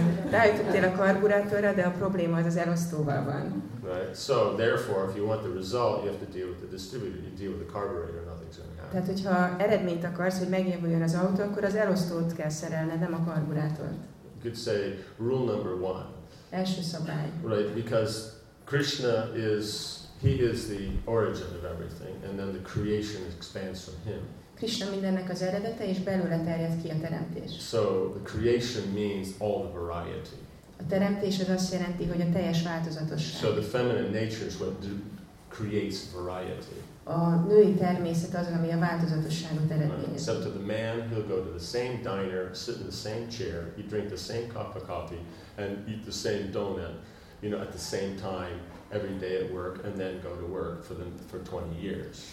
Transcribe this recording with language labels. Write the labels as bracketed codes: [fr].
[hu] Rájutottél a karburátorra, de a probléma az elosztóval van. [en] Right. So therefore, if you want the result, you have to deal with the distributor. You deal with the carburetor, nothing's going to happen. [hu] Tehát, hogyha eredményt akarsz, hogy megjavuljon az autó, akkor az elosztót kell szerelned, nem a karburátort. [en] You could say rule number one. [hu] Első szabály. [en] Right, because Krishna is. He is the origin of everything, and then the creation expands from him. [hu] Krishna mindennek az eredete, és belőle terjed ki a teremtés. [en] So the creation means all the variety. [hu] A teremtés az azt jelenti, hogy a teljes változatosság. [en] So the feminine nature is what creates variety. [hu] A női természet az, ami a változatosságot eredményez. [en] Except to the man, he'll go to the same diner, sit in the same chair, he drink the same cup of coffee, and eat the same donut, you know, at the same time. Every day at work, and then go to work for 20 years.